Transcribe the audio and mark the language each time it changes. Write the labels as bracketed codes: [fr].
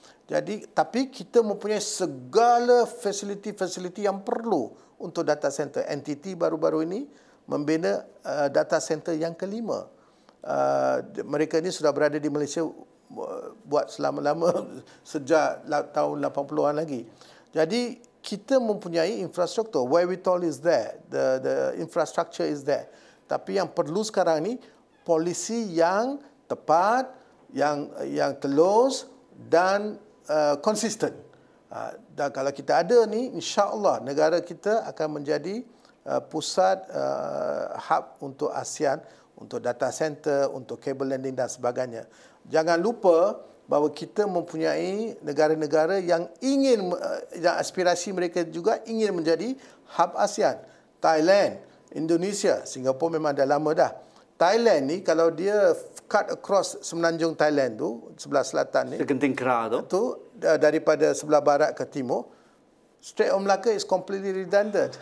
[ms] Jadi tapi kita mempunyai segala facility yang perlu untuk data center. NTT baru-baru ini membina data center yang kelima. Mereka ini sudah berada di Malaysia buat selama-lama sejak tahun 80-an lagi. Jadi kita mempunyai infrastruktur. [en] Where we told is there. The infrastructure is there. [ms] Tapi yang perlu sekarang ini polisi yang tepat, yang telus dan konsisten. Dan kalau kita ada ni, insyaAllah negara kita akan menjadi pusat hub untuk ASEAN, untuk data center, untuk cable landing dan sebagainya. Jangan lupa bahawa kita mempunyai negara-negara yang ingin, yang aspirasi mereka juga ingin menjadi hub ASEAN. Thailand, Indonesia, Singapura memang dah lama dah. Thailand ni kalau dia [en] cut across [ms] semenanjung Thailand tu, sebelah selatan ni. Segenting Kerah tu. Tu daripada sebelah barat ke timur. [en] Strait of Malacca is completely redundant.